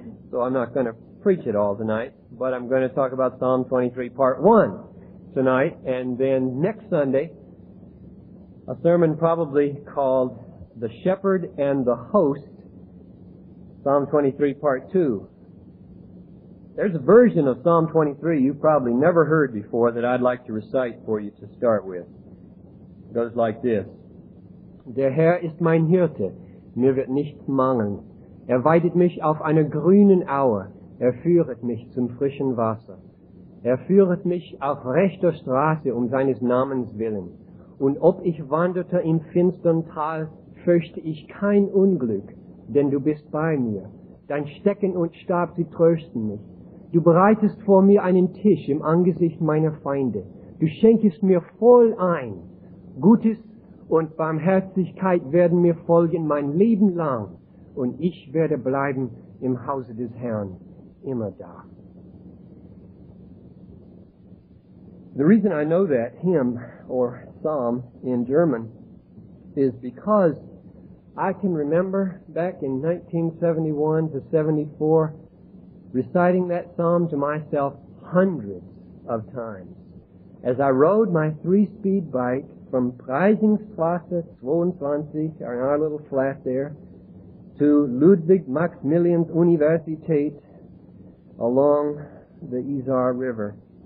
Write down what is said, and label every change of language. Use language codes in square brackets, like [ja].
[en] So I'm not going to preach it all tonight, but I'm going to talk about Psalm 23 part 1 tonight, and then next Sunday a sermon probably called The Shepherd and the Host, Psalm 23 part 2. There's a version of Psalm 23 you've probably never heard before that I'd like to recite for you to start with. It goes like this. [de] Der Herr ist mein Hirte, mir wird nichts mangeln. Weidet mich auf einer grünen Aue. Führet mich zum frischen Wasser. Führet mich auf rechter Straße seines Namens willen. Und ob ich wanderte im finstern Tal, fürchte ich kein Unglück, denn du bist bei mir. Dein Stecken und Stab, sie trösten mich. Du bereitest vor mir einen Tisch im Angesicht meiner Feinde. Du schenkest mir voll ein. Gutes und Barmherzigkeit werden mir folgen mein Leben lang. Und ich werde bleiben im Hause des Herrn. Immer da. [en] The reason I know that hymn or psalm in German is because I can remember back in 1971 to 74 reciting that psalm to myself hundreds of times as I rode my 3-speed bike from Preisingstrasse 22, our little flat there, to Ludwig Maximilians Universität along the Isar River.